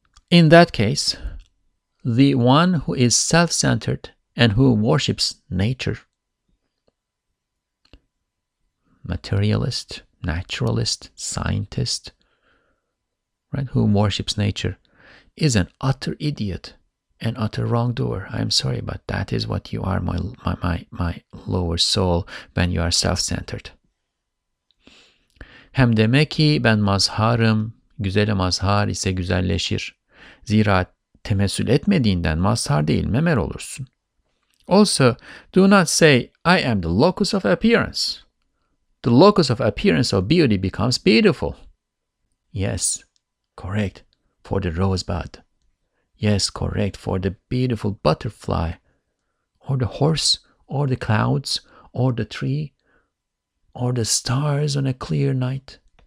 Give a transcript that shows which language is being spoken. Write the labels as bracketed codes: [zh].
[en] In that case, the one who is self-centered and who worships nature, materialist, naturalist, scientist, right, who worships nature, is an utter idiot, an utter wrongdoer. I'm sorry, but that is what you are, my lower soul, when you are self-centered. [tr] Hem demek ki ben mazharım, güzel mazhar ise güzelleşir. Zira temessül etmediğinden mazhar değil, memer olursun. [en] Also, do not say, I am the locus of appearance. The locus of appearance of beauty becomes beautiful. Yes, correct. For the rosebud. Yes, correct. For the beautiful butterfly, or the horse, or the clouds, or the tree, or the stars on a clear night.